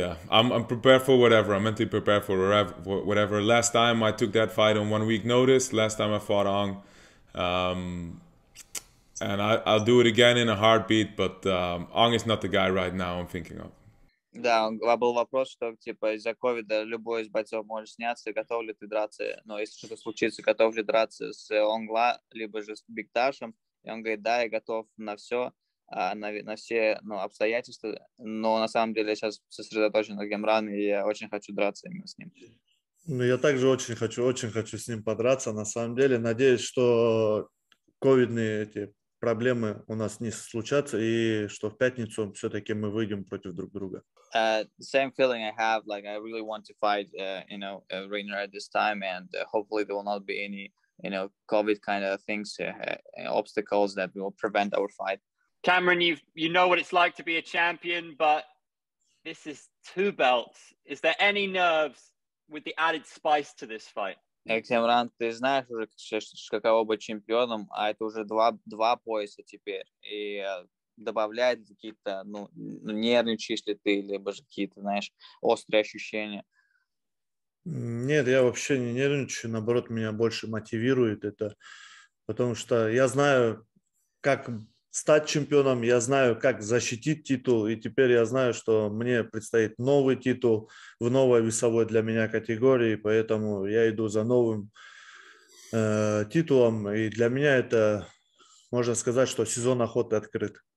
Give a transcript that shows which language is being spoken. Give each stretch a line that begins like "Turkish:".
English: I'm prepared for whatever. I'm mentally prepared for whatever. Last time I took that fight on 1 week notice. Last time I fought Ong, and I'll do it again in a heartbeat. But Ong is not the guy right now I'm thinking of.
Russian: Да, был вопрос, что типа из-за ковида любой из бойцов может сняться, готов ли ты драться, если что-то случится, готов ли драться с Ongla, либо же с Big Dash'ом, и он говорит, да, я готов на все, на все обстоятельства, но на самом деле я сейчас сосредоточен на Kiamran, и я очень хочу драться именно с ним. Ну, я также очень хочу с ним подраться, на самом деле, надеюсь, что ковидные эти проблемы у нас не случатся, и что в пятницу все-таки мы выйдем против друг друга.
English: Same feeling I have, I really want to fight, Reinier at this time, and hopefully there will not be any, COVID kind of things, obstacles that will prevent our fight. Kiamran, you know what it's like to be a champion, but this is two belts. Is there any nerves with the added spice to this fight?
Russian: Kiamran, ты знаешь уже, каково быть чемпионом, а это уже два пояса теперь, и добавляет какие-то, нервничаешь ли ты, либо же какие-то, острые ощущения? Нет, я вообще не нервничаю, наоборот, меня больше мотивирует это, потому что я знаю, как стать чемпионом, я знаю, как защитить титул, и теперь я знаю, что мне предстоит новый титул в новой весовой для меня категории, поэтому я иду за новым титулом, и для меня это, можно сказать, что сезон охоты открыт.